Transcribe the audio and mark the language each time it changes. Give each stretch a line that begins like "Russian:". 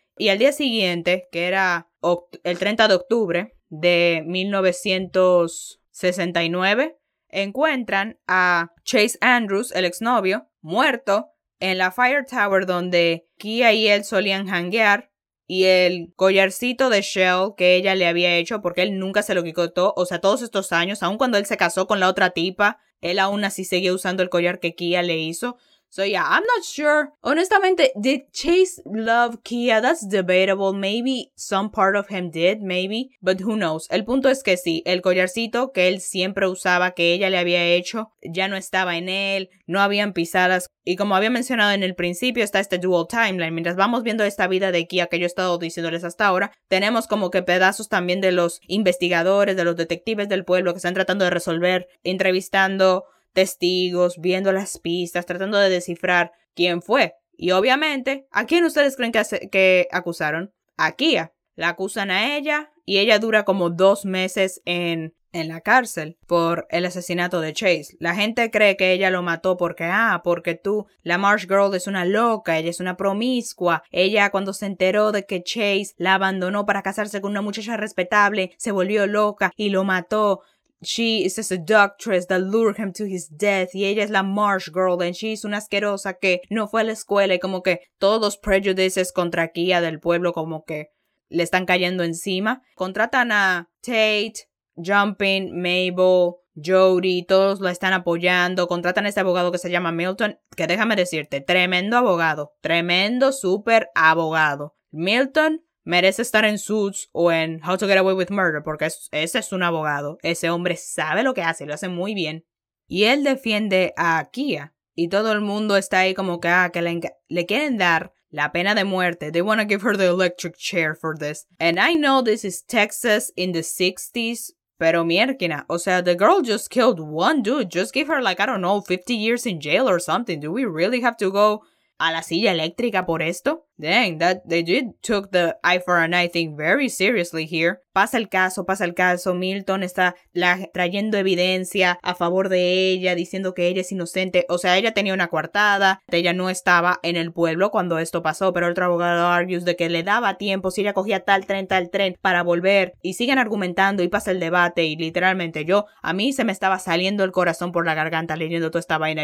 Spanish: Y al día siguiente, que era el 30 de octubre de 1969, encuentran a Chase Andrews, el exnovio, muerto en la Fire Tower donde Kia y él solían hanguear. Y el collarcito de Shell que ella le había hecho, porque él nunca se lo quitó, o sea, todos estos años, aun cuando él se casó con la otra tipa, él aún así seguía usando el collar que Kia le hizo.
English: So yeah, I'm not sure. Honestamente, did Chase love Kia? That's debatable. Maybe some part of him did, maybe. But who knows?
Spanish: El punto es que sí, el collarcito que él siempre usaba, que ella le había hecho, ya no estaba en él, no habían pisadas. Y como había mencionado en el principio, está este dual timeline. Mientras vamos viendo esta vida de Kia que yo he estado diciéndoles hasta ahora, tenemos como que pedazos también de los investigadores, de los detectives del pueblo que están tratando de resolver, entrevistando testigos, viendo las pistas, tratando de descifrar quién fue. Y obviamente, ¿a quién ustedes creen que acusaron? A Kia. La acusan a ella y ella dura como 2 meses en la cárcel por el asesinato de Chase. La gente cree que ella lo mató porque tú, la Marsh Girl es una loca, ella es una promiscua. Ella cuando se enteró de que Chase la abandonó para casarse con una muchacha respetable, se volvió loca y lo mató.
English: She is a seductress that lured him to his death.
Spanish: Y ella es la Marsh Girl.
English: And she is
Spanish: una asquerosa que no fue a la escuela. Y como que todos los prejudices contra Kia del pueblo como que le están cayendo encima. Contratan a Tate, Jumping, Mabel, Jody. Todos la están apoyando. Contratan a este abogado que se llama Milton. Que déjame decirte, tremendo abogado. Tremendo super abogado. Milton merece estar en Suits o en How to Get Away with Murder, porque ese es un abogado. Ese hombre sabe lo que hace, lo hace muy bien. Y él defiende a Kia. Y todo el mundo está ahí como que, ah, que le quieren dar la pena de muerte.
English: They want to give her the electric chair for this. And I know this is Texas in the 60s,
Spanish: pero miérquina.
English: O sea, the girl just killed one dude. Just give her, like, I don't know, 50 years in jail or something. Do we really have to go
Spanish: a la silla eléctrica por esto?
English: Dang, that they did took the eye for an eye thing very seriously here.
Spanish: Pasa el caso. Milton está trayendo evidencia a favor de ella, diciendo que ella es inocente. O sea, ella tenía una coartada. Ella no estaba en el pueblo cuando esto pasó. Pero otro abogado argues de que le daba tiempo si ella cogía tal tren para volver. Y siguen argumentando y pasa el debate. Y literalmente a mí se me estaba saliendo el corazón por la garganta leyendo toda esta vaina.